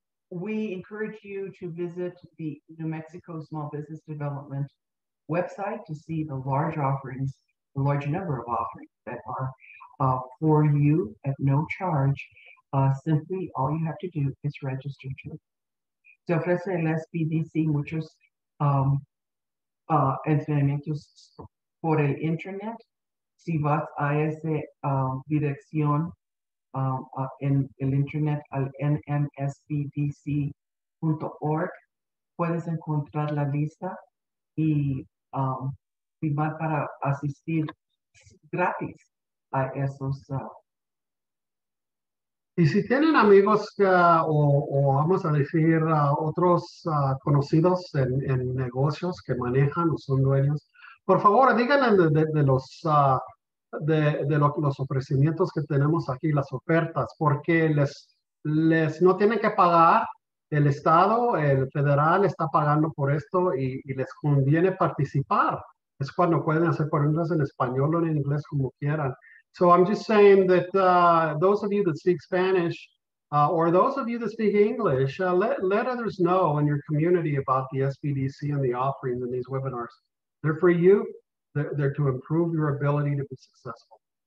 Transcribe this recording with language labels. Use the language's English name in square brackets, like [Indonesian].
[English] We encourage you to visit the New Mexico Small Business Development website to see the large offerings, the large number of offerings that are for you at no charge. Simply, all you have to do is register to. [Spanish] Se ofrece el SBDC muchos entrenamientos por el internet. Si vas a esa dirección en el internet al nmsbdc.org, puedes encontrar la lista y firmar para asistir gratis a esos. Y si tienen amigos o vamos a decir otros conocidos en negocios que manejan o son dueños, por favor díganle de los de los ofrecimientos que tenemos aquí, las ofertas, porque les no tienen que pagar. El Estado, el federal, está pagando por esto y les conviene participar. Es cuando pueden hacer preguntas en español o en inglés, como quieran. [English] So I'm just saying that those of you that speak Spanish or those of you that speak English, let others know in your community about the SBDC and the offerings and these webinars. They're for you. They're to improve your ability to be successful.